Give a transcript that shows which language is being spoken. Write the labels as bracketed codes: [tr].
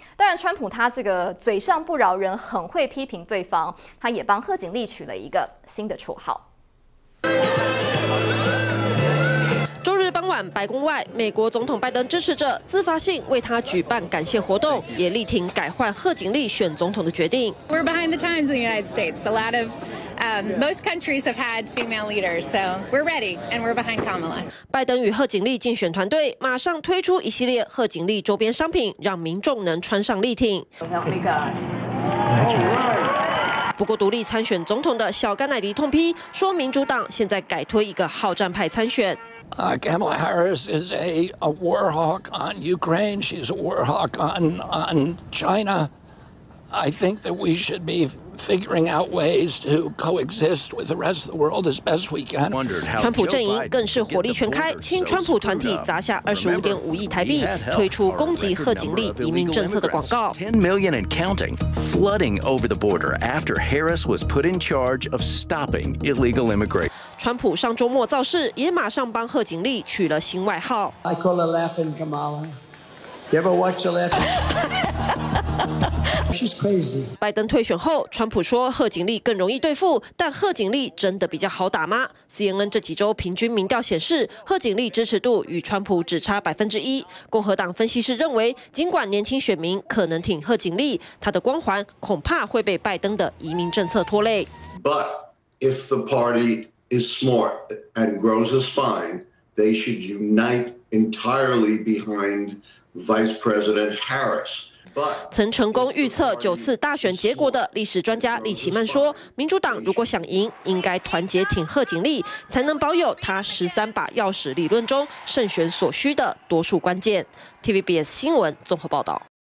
[zh] 当然川普他这个嘴上不饶人，很会批评对方，他也帮贺锦丽取了一个新的绰号。周日傍晚，白宫外，美国总统拜登支持者自发性为他举办感谢活动，也力挺改换贺锦丽选总统的决定。 [en] We're behind the times in the United States. A lot of most countries have had female leaders, so we're ready and we're behind Kamala. [zh] 拜登与贺锦丽竞选团队马上推出一系列贺锦丽周边商品，让民众能穿上力挺。不过独立参选总统的小甘乃迪痛批说，民主党现在改推一个好战派参选。 [en] Kamala Harris is a war hawk on Ukraine. She's a war hawk on China. I think that we should be figuring out ways to coexist with the rest of the world as best we can. [zh] 川普阵营更是火力全开，亲川普团体砸下25.5亿台币，推出攻击贺锦丽移民政策的广告。 [en] 10 million and counting, flooding over the border after Harris was put in charge of stopping illegal immigration. [zh] 川普上周末造势，也马上帮贺锦丽取了新外号。 [en] I call her Laughing Kamala. You ever watch the last? She's crazy. [zh] 拜登退选后，川普说贺锦丽更容易对付，但贺锦丽真的比较好打吗 ？CNN 这几周平均民调显示，贺锦丽支持度与川普只差1%。共和党分析师认为，尽管年轻选民可能挺贺锦丽，她的光环恐怕会被拜登的移民政策拖累。 [en] But if the party is smart and grows a spine, they should unite entirely behind. Vice President Harris. [zh] 曾成功预测9次大选结果的历史专家李奇曼说，民主党如果想赢，应该团结挺贺锦丽，才能保有他13把钥匙理论中胜选所需的多数关键。 TVBS 新闻综合报道。